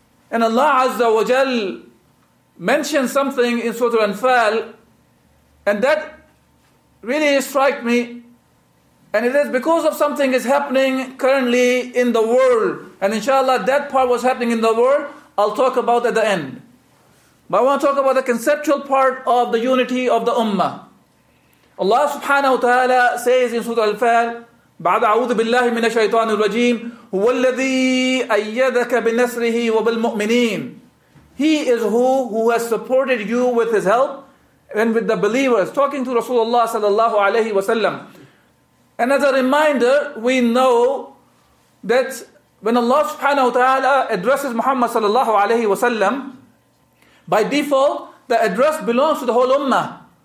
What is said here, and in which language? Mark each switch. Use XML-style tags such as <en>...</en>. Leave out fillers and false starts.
<en>And Allah Azza wa Jal mentioned something in Surah Al-Anfal, and that really struck me. And it is because of something is happening currently in the world. And inshallah, that part was happening in the world, I'll talk about at the end. But I want to talk about the conceptual part of the unity of the Ummah. Allah subhanahu wa ta'ala says in Surah Al-Fal,</en> <ar>بعد أعوذ بالله من الشيطان الرجيم هو الذي أيدك بنصره وبالمؤمنين.</ar> <en>He is who has supported you with his help and with the believers. Talking to Rasulullah sallallahu alayhi wa sallam. And as a reminder, we know that when Allah subhanahu wa ta'ala addresses Muhammad sallallahu alayhi wa sallam, by default, the address belongs to the whole Ummah.</en>